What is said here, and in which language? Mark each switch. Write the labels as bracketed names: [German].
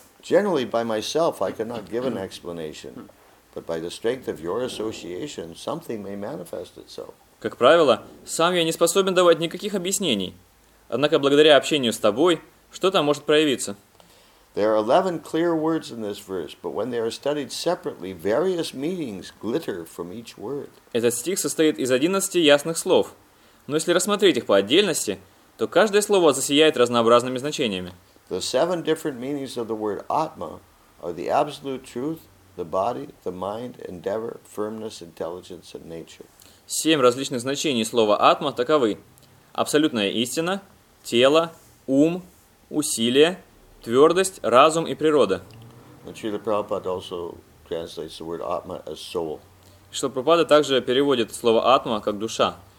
[English] Generally, by myself, I cannot give an explanation, but by the strength of your association, something may manifest itself. [Russian] Как правило, сам я не способен давать никаких объяснений. Однако благодаря общению с тобой, что-то может проявиться. [English] There are 11 clear words in this verse, but when they are studied separately, various meanings glitter from each word. [Russian] Этот стих состоит из 11 ясных слов. Но если рассмотреть их по отдельности, то каждое слово засияет разнообразными значениями. [English] The 7 different meanings of the word Atma are the absolute truth, the body, the mind, endeavor, firmness, intelligence, and nature. [Russian] Семь различных значений слова «атма» таковы. Абсолютная истина, тело, ум, усилие, твердость, разум и природа. [English] Шрила Прабхупада also translates the word «атма» as soul. [Russian] Что Прабхупада также переводит слово атма как душа.